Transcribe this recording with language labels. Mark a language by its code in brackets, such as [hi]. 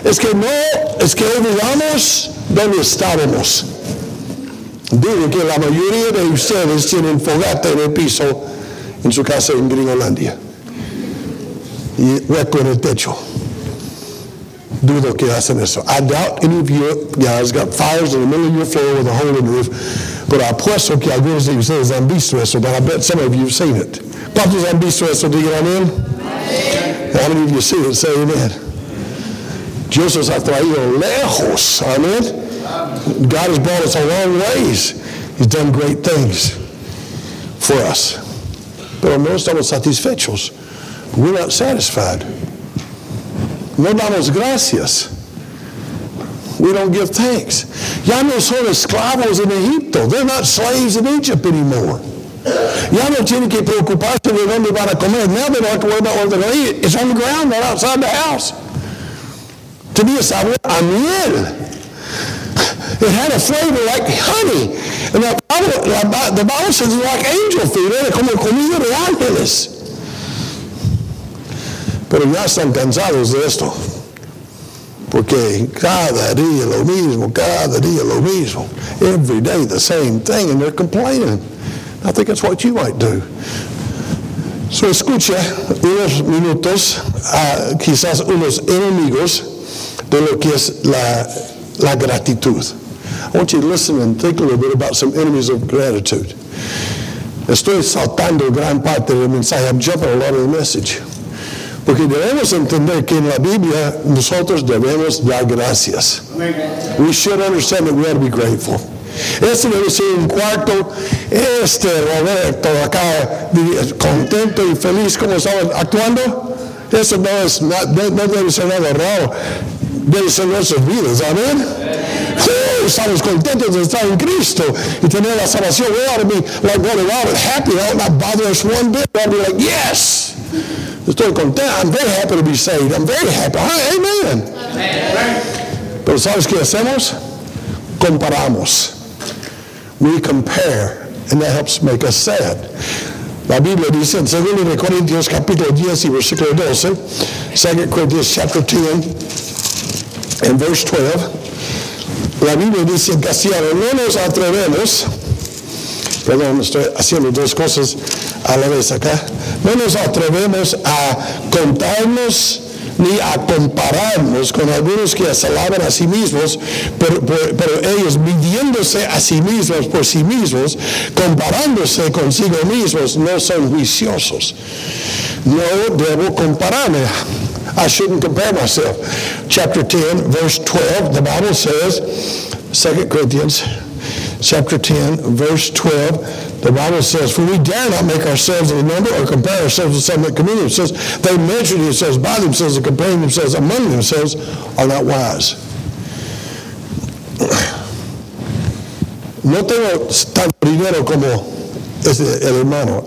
[es] es que no, es que olvidamos dónde estábamos. Digo que la mayoría de ustedes tienen fogata en el piso en su casa en Gringolandia y hueco en el techo. Dudo que hacen eso. [en] I doubt any of you guys got fires in the middle of your floor with a hole in the roof, but I [es] apuesto que algunos de ustedes han visto eso, [en] but I bet some of you have seen it. [es] ¿Cuántos han visto eso? Digan amén. [en] How many of you see it? Say amen. [es] Dios os ha traído lejos. [en] Amen. God has brought us a long ways. He's done great things for us. [es] Pero no estamos satisfechos. [en] We're not satisfied. [es] No damos gracias. [en] We don't give thanks. [es] Ya no son esclavos en Egipto. [en] They're not slaves in Egypt anymore. [es] Ya no tienen que preocuparse de dónde van a comer. [en] Now they don't have to worry about where they're going to eat. It's on the ground, not outside the house. [es] Tenía sabor a miel. [en] It had a flavor like honey. And the Bible says it's like angel food. [es] Era como comida de ángeles. Pero ya están cansados de esto. Porque cada día lo mismo, cada día lo mismo. [en] Every day the same thing, and they're complaining. I think that's what you might do. [es] So escucha unos minutos a quizás unos enemigos de lo que es la gratitud. [en] I want you to listen and think a little bit about some enemies of gratitude. [es] Estoy saltando gran parte del mensaje. [en] I'm jumping a lot of the message. [es] Porque debemos entender que en la Biblia nosotros debemos dar gracias. [en] We should understand that we ought to be grateful. [es] Este debe ser un cuarto. Este Roberto acá contento y feliz como estaba actuando. Eso no es no debe ser nada raro. Debe ser nuestras vidas. Amén. Estamos contentos de estar en Cristo y tener la salvación. [en] We ought to be like going around and happy. That would not bother us one bit. We ought to be like, yes. [es] Estoy contento. [en] I'm very happy to be saved. I'm very happy. Amen. Amen. [es] Pero ¿sabes qué hacemos? Comparamos. [en] We compare. And that helps make us sad. [es] La Biblia dice en 2 Corintios capítulo 10 y versículo 12. [en] 2 Corintios chapter 10 and verse 12. [es] La Biblia dice en castellano, no nos atrevemos. Perdón, estoy haciendo dos cosas a la vez acá. No nos atrevemos a contarnos ni a compararnos con algunos que se alaban a sí mismos, pero ellos midiéndose a sí mismos por sí mismos, comparándose consigo mismos, no son juiciosos. No debo compararme. [en] I shouldn't compare myself. Chapter 10, verse 12, the Bible says, 2 Corinthians, chapter 10, verse 12, the Bible says, for we dare not make ourselves a number or compare ourselves with some of the community. It says, they measure themselves by themselves and comparing themselves among themselves are not wise. [es] No tengo tanto dinero como ese el hermano.